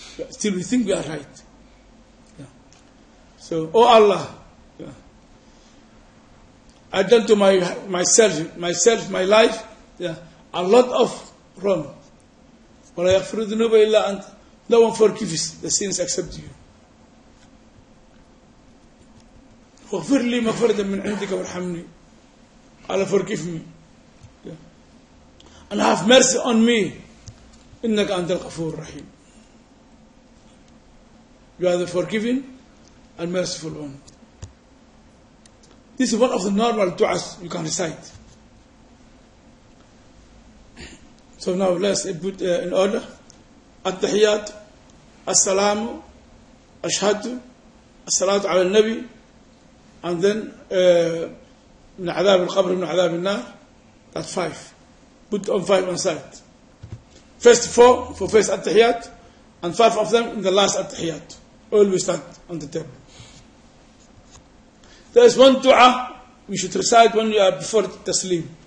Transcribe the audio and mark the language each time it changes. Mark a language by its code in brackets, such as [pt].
[en] Still we think we are right. Yeah. So, oh Allah, yeah. I've done to myself, my life, yeah, a lot of wrong. But I have no one forgives the sins except you. [ar] واغفر لي مغفرة من عندك وارحمني. [en] Allah forgive me. Yeah. And have mercy on me. [ar] إنك أنت الغفور الرحيم. [en] You are the forgiving and merciful one. This is one of the normal du'as you can recite. So now let's put in order. [ar] التحيات السلام أشهد الصلاة على النبي. [en] And then [ar] من عذاب القبر من عذاب النار. [en] That's five. Put on five on side. First four for first attahiyat, and five of them in the last attahiyat. Always that on the table. There is one dua we should recite when you are before Tasleem.